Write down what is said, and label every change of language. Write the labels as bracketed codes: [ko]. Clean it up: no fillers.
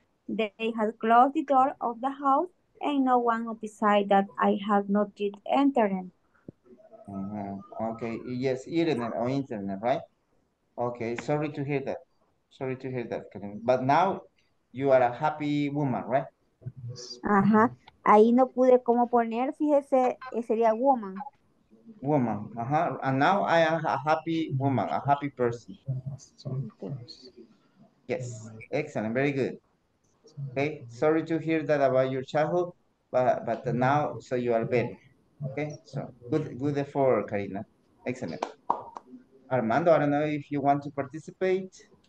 [en] They had closed the door of the house and no one beside that I had not yet entered. Mm-hmm. Okay, yes, internet or internet, right? Okay, sorry to hear that. Sorry to hear that, Karen. But now you are a happy woman, right? Ajá. [es] Ahí no pude cómo poner, fíjese, sería woman. [en] Woman, ajá. Uh-huh. And now I am a happy woman, a happy person. Yes, excellent, very good. Okay, sorry to hear that about your childhood, but now, so you are better. Okay, so good effort, Karina. Excellent. Armando, I don't know if you want to participate.